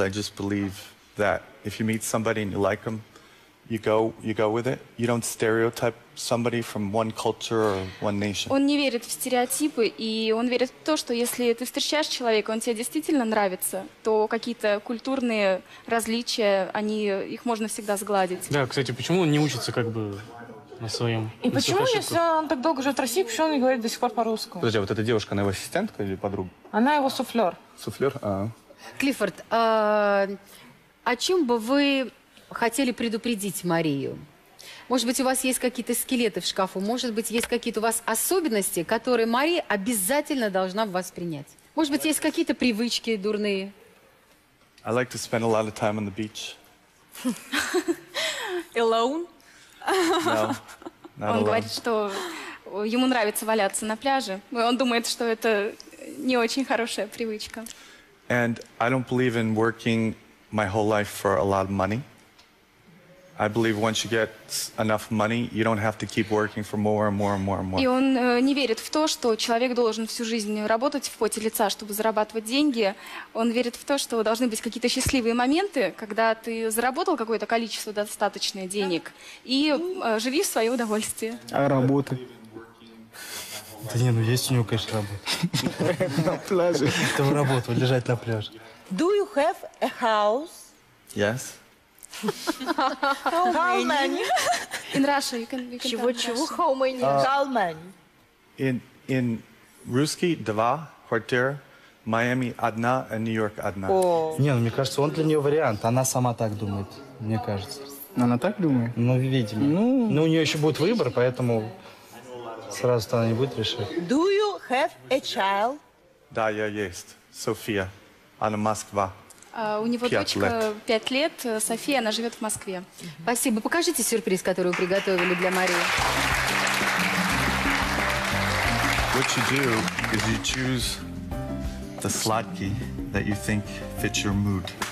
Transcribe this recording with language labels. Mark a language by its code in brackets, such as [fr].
[en] I just believe that if you meet somebody and you like them, you go with it. You don't stereotype somebody from one culture or one nation. [ru] Он не верит в стереотипы, и он верит в то, что если ты встречаешь человека, он тебе действительно нравится, то какие-то культурные различия, они их можно всегда сгладить. Да, кстати, почему он не учится как бы? На своем, и на почему, если он так долго живет в России, почему он не говорит до сих пор по-русски? Подожди, а вот эта девушка, она его ассистентка или подруга? Она его суфлер. Суфлер? А. Клиффорд, о чем бы вы хотели предупредить Марию? Может быть, у вас есть какие-то скелеты в шкафу? Может быть, есть какие-то у вас особенности, которые Мария обязательно должна в вас принять? Может быть, есть какие-то привычки дурные? [en] I like to spend a lot of time on the beach. Alone? No, [ru] он говорит, что ему нравится валяться на пляже. Он думает, что это не очень хорошая привычка. [en] And I don't believe in working my whole life for a lot of money. I believe once you get enough money, you don't have to keep working for more and more and more and more. [ru] И он не верит в то, что человек должен всю жизнь работать в поте лица, чтобы зарабатывать деньги. Он верит в то, что должны быть какие-то счастливые моменты, когда ты заработал какое-то количество достаточных денег и живи в свое удовольствие. А работа? Да не, ну есть у него, конечно, работа. На пляже. Это работа, лежать на пляже. [en] Do you have a house? Yes. How many? In Russia you can. [ru] Чего чего? [en] How many? How many? [ru] In Ruski два квартира, Miami одна, и Нью-Йорк одна. Не, ну мне кажется, он для нее вариант. Она сама так думает, мне кажется. Она так думает? Ну видимо. Ну у нее еще будет выбор, поэтому сразу-то она не будет решать. [en] Do you have a child? [ru] Да, я есть. София. Она Москва. У него дочка 5 лет. София, она живет в Москве. Спасибо. Покажите сюрприз, который вы приготовили для Марии. [en] What you do is you choose the [ru] сладкий [en] that you think fits your mood.